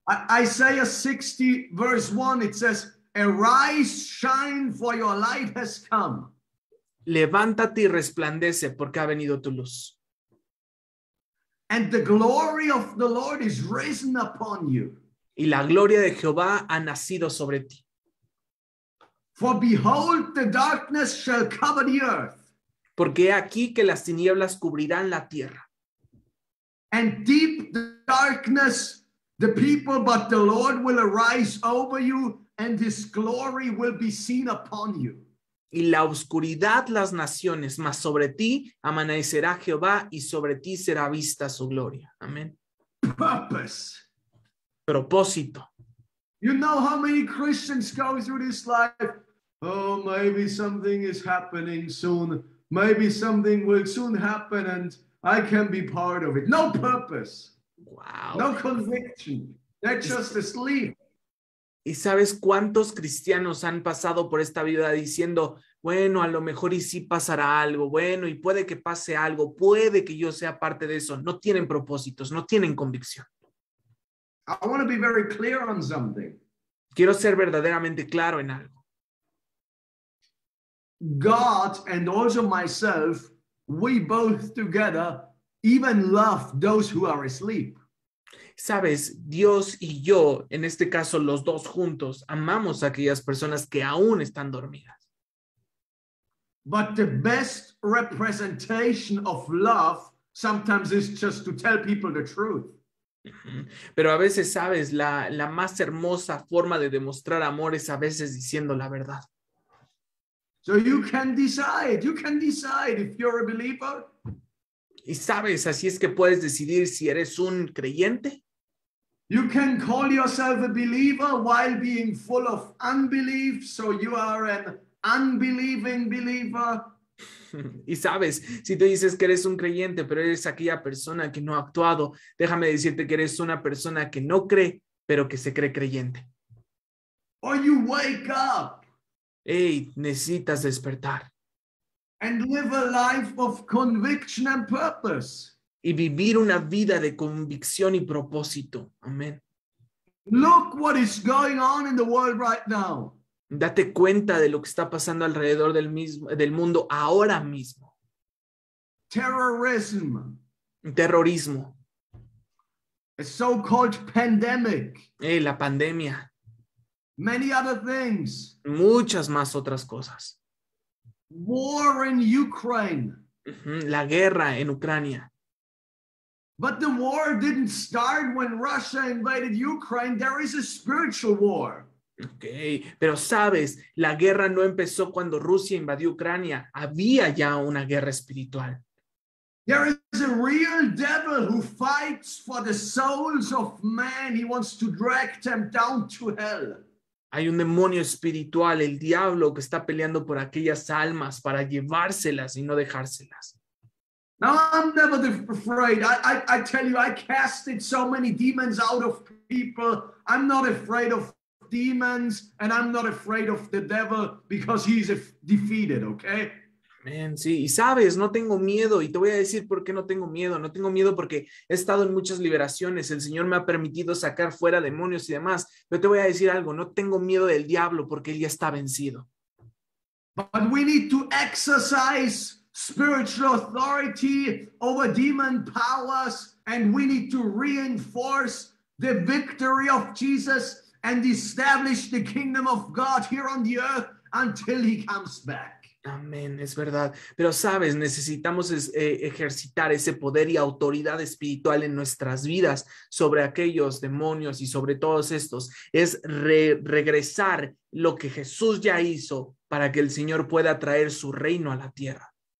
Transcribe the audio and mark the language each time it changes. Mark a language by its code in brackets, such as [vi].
[en] Isaiah 60, verse 1, it says, arise, shine, for your light has come. [es] Levántate y resplandece, porque ha venido tu luz. [en] And the glory of the Lord is risen upon you. [es] Y la gloria de Jehová ha nacido sobre ti. [en] For behold, the darkness shall cover the earth. [es] Porque he aquí que las tinieblas cubrirán la tierra. [en] And deep darkness the people, but the Lord will arise over you, and his glory will be seen upon you. [es] Y la oscuridad las naciones, mas sobre ti amanecerá Jehová, y sobre ti será vista su gloria. Amén. [en] Purpose. [es] Propósito. [en] You know how many Christians go through this life? Oh, maybe something is happening soon. Maybe something will soon happen, and I can be part of it. No purpose. Wow. No conviction. They're just asleep. [es] ¿Y sabes cuántos cristianos han pasado por esta vida diciendo, bueno, a lo mejor y sí pasará algo, bueno, y puede que pase algo, puede que yo sea parte de eso? No tienen propósitos, no tienen convicción. [en] I want to be very clear on something. [es] Quiero ser verdaderamente claro en algo. [en] God and also myself, we both together even love those who are asleep. [es] Sabes, Dios y yo, en este caso los dos juntos, amamos a aquellas personas que aún están dormidas. [en] But the best representation of love Sometimes it's just to tell people the truth. [es] Pero a veces, sabes, la más hermosa forma de demostrar amor es a veces diciendo la verdad. [en] So you can decide if you're a believer. [es] Y sabes, así es que puedes decidir si eres un creyente. [en] You can call yourself a believer while being full of unbelief, so you are an unbelieving believer. [es] Y sabes, si tú dices que eres un creyente, pero eres aquella persona que no ha actuado, déjame decirte que eres una persona que no cree, pero que se cree creyente. [en] Or you wake up. [es] Hey, necesitas despertar. [en] And live a life of conviction and purpose. [es] Y vivir una vida de convicción y propósito. Amén. [en] Look what is going on in the world right now. [es] Date cuenta de lo que está pasando alrededor del mundo ahora mismo. [en] Terrorismo. A so-called pandemic. [es] La pandemia. [en] Many other things. [es] Muchas más otras cosas. [en] War in Ukraine. [es] La guerra en Ucrania. [en] But the war didn't start when Russia invaded Ukraine. There is a spiritual war. [es] Okay, pero sabes, la guerra no empezó cuando Rusia invadió Ucrania. Había ya una guerra espiritual. [en] There is a real devil who fights for the souls of man. He wants to drag them down to hell. Hay un demonio espiritual, el diablo, que está peleando por aquellas almas para llevárselas y no dejárselas. Now I'm never afraid. I tell you, I casted so many demons out of people. I'm not afraid of demons, and I'm not afraid of the devil because he's defeated, okay? [es] Man, sí, y sabes, no tengo miedo, y te voy a decir por qué no tengo miedo. No tengo miedo porque he estado en muchas liberaciones, el Señor me ha permitido sacar fuera demonios y demás, pero te voy a decir algo, no tengo miedo del diablo porque él ya está vencido. [en] But we need to exercise spiritual authority over demon powers, and we need to reinforce the victory of Jesus and establish the kingdom of God here on the earth until he comes back. [es] Amén, es verdad. Pero sabes, necesitamos ejercitar ese poder y autoridad espiritual en nuestras vidas sobre aquellos demonios y sobre todos estos. Es regresar lo que Jesús ya hizo para que el Señor pueda traer su reino a la tierra.